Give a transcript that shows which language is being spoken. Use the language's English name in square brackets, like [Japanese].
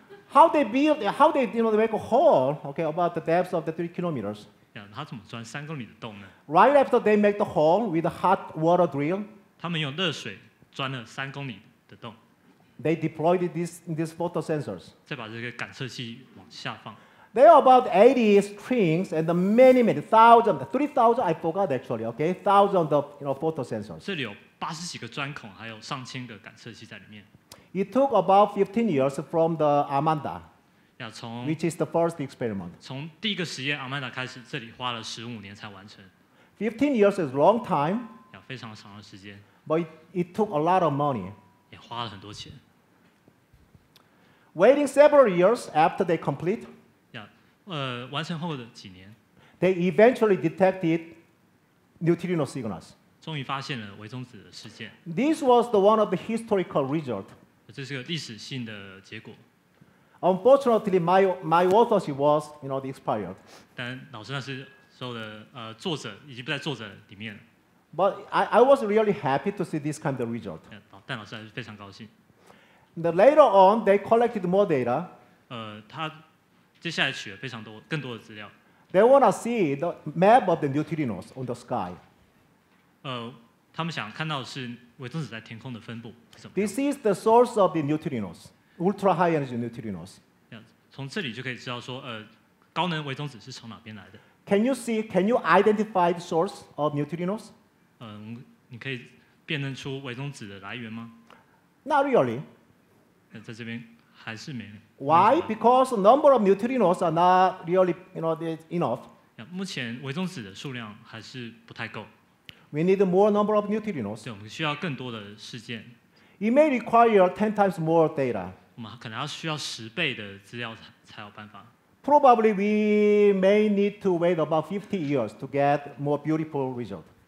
[English] How they build, how they, you know, they make a hole, okay, about the depth of the 3 kilometers. [Chinese] Yeah, 他怎么钻三公里的洞呢 [English] ？Right after they make the hole with a hot water drill. [Chinese] 他们用热水钻了三公里的洞。 [English] They deployed these photo sensors. [Chinese] 再把这个感测器往下放。 [English] There are about 80 strings and many thousands, 3,000 I forgot actually, okay, thousands of you know photo sensors. [Chinese] 这里有八十几个钻孔，还有上千个感测器在里面。 [English] It took about 15 years from the Amanda. [Chinese] Yeah, 从 [English] which is the first experiment. [Chinese] 从第一个实验 Amanda 开始，这里花了15年才完成。 [English] 15 years is a long time. [Chinese] Yeah, 非常长的时间。 [English] But it took a lot of money. [Chinese] 也花了很多钱。 [English] Waiting several years after they complete. [Chinese] Yeah, 完成后的几年。 [English] They eventually detected neutrino signals. [Chinese] 终于发现了微中子的事件。 [English] This was the one of the historical result. [Chinese] 这是个历史性的结果。 [English] Unfortunately, my authorship was, you know, expired. [Chinese] 但老师那时候的作者已经不在作者里面了。 [English] But I was really happy to see this kind of result. [Chinese] 但老师还是非常高兴。 [English] The later on, they collected more data. [Chinese] 他接下来取了非常多更多的资料。 [English] They want to see the map of the neutrinos on the sky. [Chinese] 他们想看到的是微中子在天空的分布是怎么样。 [English] This is the source of the neutrinos, ultra high energy neutrinos. [Chinese] 从这里就可以知道说，高能微中子是从哪边来的。 [English] Can you identify the source of neutrinos? [Chinese] 你可以辨认出微中子的来源吗 [English] ？Not really. [Chinese] 在这边还是没。 [English] Why? Because the number of neutrinos are not really, you know, enough. [Chinese] 目前微中子的数量还是不太够。 [English] We need more number of neutrinos. [Chinese] 对，我们需要更多的事件。 [English] It may require 10 times more data. [Chinese] 我们可能要需要十倍的资料才有办法。 [English] Probably we may need to wait about 50 years to get more beautiful result.